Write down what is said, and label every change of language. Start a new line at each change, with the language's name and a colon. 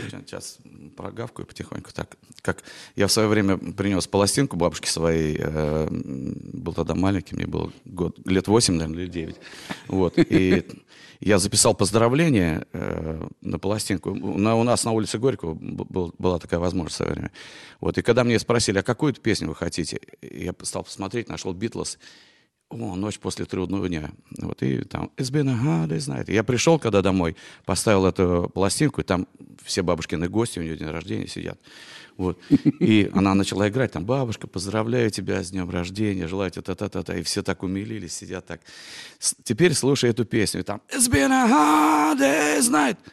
Russian: Я сейчас прогавкаю потихоньку. Так, как я в свое время принес пластинку бабушке своей, был тогда маленький, мне было год, лет 8, наверное, или 9. Вот. И я записал поздравление на пластинку. У нас на улице Горького была такая возможность в свое время. Вот. И когда мне спросили, а какую песню вы хотите, я стал посмотреть, нашел «Битлз». О, «Ночь после трудного дня». Вот и там
English: «It's been a hard day's night».
Russian: Я пришел когда домой, поставил эту пластинку, и там все бабушкины гости, у нее день рождения сидят. Вот. И она начала играть, там «Бабушка, поздравляю тебя с днем рождения, желаю тебе та-та-та-та». И все так умилились, сидят так. Теперь слушай эту песню, и там
English: «It's been a hard day's night».